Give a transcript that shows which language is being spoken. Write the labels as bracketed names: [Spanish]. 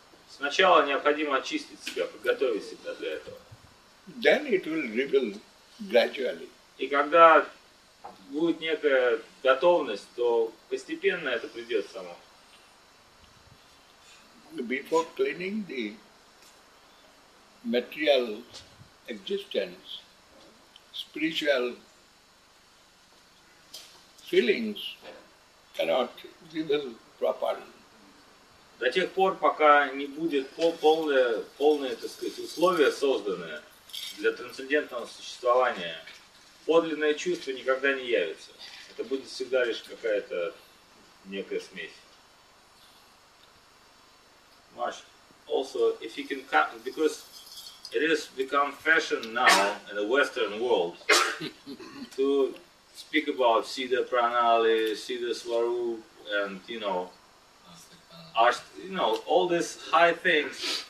[Russian] Сначала необходимо очистить себя, подготовить себя для этого. [English] Then it will reveal gradually. [Russian] И когда будет некая готовность, то постепенно это придет само. [English] Before cleaning the material existence, spiritual feelings cannot reveal properly. [Russian] До тех пор, пока не будет полное, так сказать, условие созданное для трансцендентного существования, подлинное чувство никогда не явится. Это будет всегда лишь какая-то некая смесь. [English] Much. Also, if you can come, because it has become fashion now in the Western world to speak about Siddha Pranali, Siddha Swarup, and all these high things.